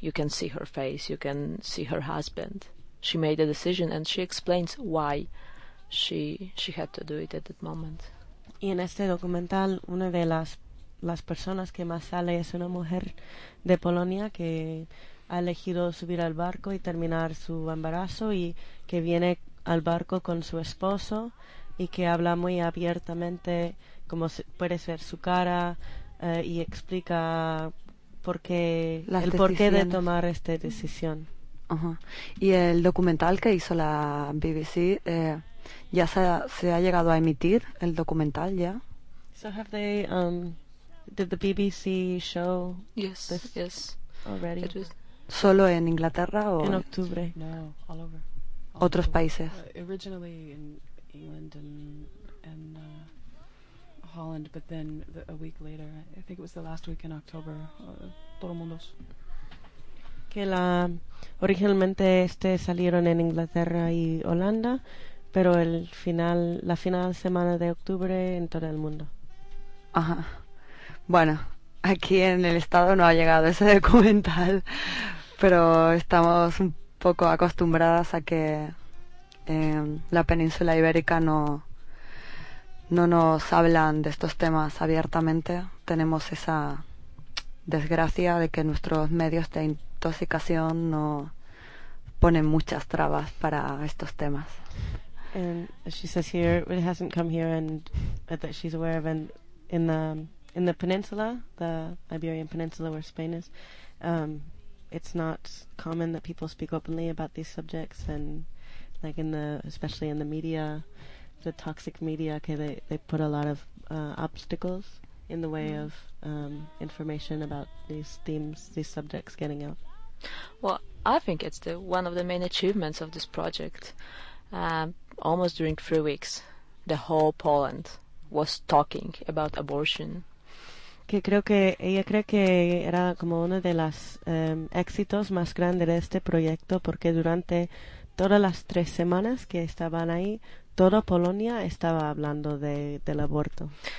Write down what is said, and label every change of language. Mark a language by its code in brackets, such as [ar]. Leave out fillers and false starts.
[en] You can see her face, you can see her husband. She made a decision, and she explains why she had to do it at that moment. [es] Y en este documental, una de las personas que más sale es una mujer de Polonia que ha elegido subir al barco y terminar su embarazo, y que viene al barco con su esposo y que habla muy abiertamente, como puedes ver su cara, y explica porqué de tomar esta decisión. Y el documental que hizo la BBC, ¿ya se ha llegado a emitir el documental ya? [en] So have they did the BBC show? Yes, this yes. Already. [es] Solo en Inglaterra o en octubre? [en] No, all over. [es] Otros países. [en] Originally in England and Holland, but then a week later, I think it was the last week in October, [es] todo mundo. Que la originalmente salieron en Inglaterra y Holanda. Pero la final semana de octubre en todo el mundo. Ajá. Bueno, aquí en el estado no ha llegado ese documental, pero estamos un poco acostumbradas a que la península ibérica no nos hablan de estos temas abiertamente. Tenemos esa desgracia de que nuestros medios de intoxicación no ponen muchas trabas para estos temas. [en] And she says here it hasn't come here, and that she's aware of, and in the peninsula, the Iberian Peninsula where Spain is, it's not common that people speak openly about these subjects, and like especially in the media, the toxic media, okay, they put a lot of obstacles in the way of information about these themes, these subjects getting out. Well, I think it's one of the main achievements of this project. Almost during 3 weeks, the whole Poland was talking about abortion. [es] Que creo que ella cree que era como uno de los éxitos más grandes de este proyecto, porque durante todas las 3 semanas que estaban ahí, toda Polonia estaba hablando del aborto.